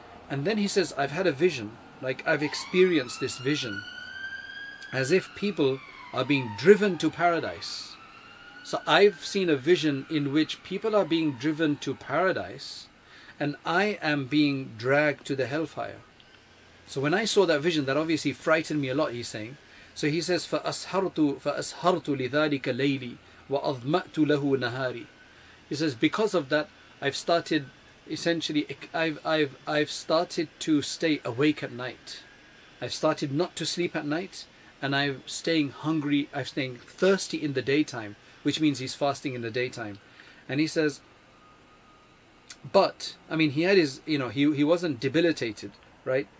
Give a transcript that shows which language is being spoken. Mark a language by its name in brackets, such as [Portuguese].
[English] And then he says, I've had a vision, like I've experienced this vision, as if people are being driven to paradise. So I've seen a vision in which people are being driven to paradise, and I am being dragged to the hellfire. So when I saw that vision, that obviously frightened me a lot, he's saying. So he says, [Arabic] فَأَسْهَرْتُ لِذَٰلِكَ لَيْلِي وَأَضْمَأْتُ لَهُ نَهَارِي. [English] He says, because of that, I've started, essentially, I've started to stay awake at night. I've started not to sleep at night, and I'm staying hungry, I'm staying thirsty in the daytime, which means he's fasting in the daytime. And he says, but, I mean, he had his, you know, he wasn't debilitated, right?